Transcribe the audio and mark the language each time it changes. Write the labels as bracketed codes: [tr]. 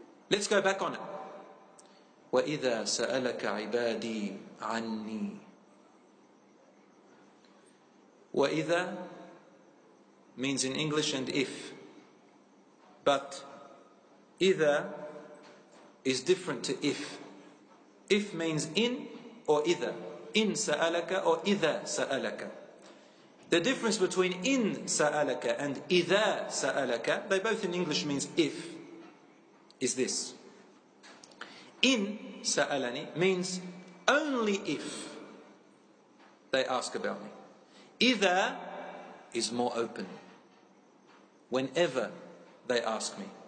[en] Let's go back on it. [ar] وَإِذَا سَأَلَكَ عِبَادِي عَنِّي وَإِذَا [en] means in English and if, but إِذَا is different to if. If means in or إِذَا. [ar] إِن سَأَلَكَ or إِذَا سَأَلَكَ. [en] The difference between [ar] إِن سَأَلَكَ [en] and [ar] إِذَا سَأَلَكَ, [en] they both in English means if, is this. [ar] إِن سَأَلَنِي [en] means only if they ask about me. إِذَا is more open. Whenever they ask me.